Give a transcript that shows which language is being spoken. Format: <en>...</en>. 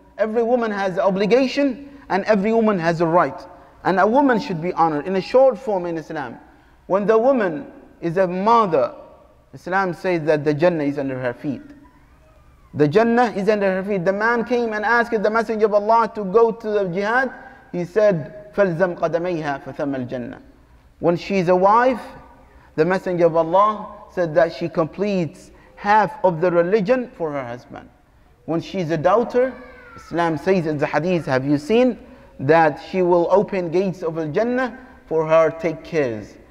<en>Every woman has an obligation and every woman has a right. And a woman should be honored in a short form in Islam. When the woman is a mother, Islam says that the Jannah is under her feet. The Jannah is under her feet. The man came and asked the Messenger of Allah to go to the jihad. He said,</en> <ar>فَلْزَمْ قَدَمَيْهَا فَثَمَّ الْجَنَّةِ.</ar> <en>When she is a wife, the Messenger of Allah said that she completes half of the religion for her husband. When she is a daughter, Islam says in the hadith, have you seen, that she will open gates of al-Jannah for her take cares.</en>